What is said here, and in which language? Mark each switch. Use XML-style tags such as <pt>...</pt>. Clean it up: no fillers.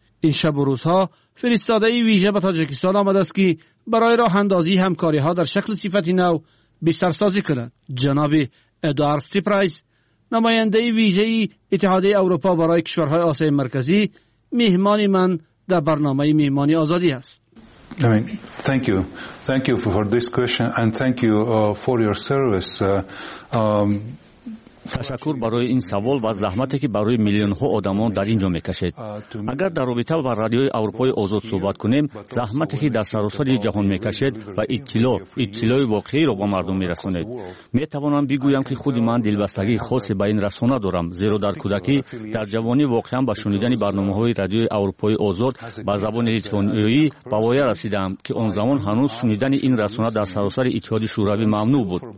<fa>این شب و روزها فرستاده ویژه به تاجیکستان آمده است که برای راه اندازی همکاری ها در شکل صفت نو بیشتر سازی کند. جناب ادوارد سیپرایس نماینده ویژه اتحاد اروپا برای کشورهای آسیای مرکزی مهمان من در برنامه مهمانی آزادی است.</fa> <en>I mean, thank you for this question, and thank you for your service.</en> <fa>تشکر برای این سوال و زحمتی که برای میلیون ها آدمان در اینجا میکشید. اگر در رابطه با رادیوی اروپای آزاد صحبت کنیم، زحمتی که در سراسر جهان میکشید و اطلاع واقعی را به مردم میرسونید. میتوانم بگویم که خود من دلبستگی خاصی به این رسانه دارم، زیرا در کودکی در جوانی واقعا به شنیدن برنامه های رادیوی اروپای آزاد به زبان لیتوانیایی بوایا رسیدم که آن زمان هنوز شنیدن این رسانه در سراسر اتحاد شوروی ممنوع بود.</fa>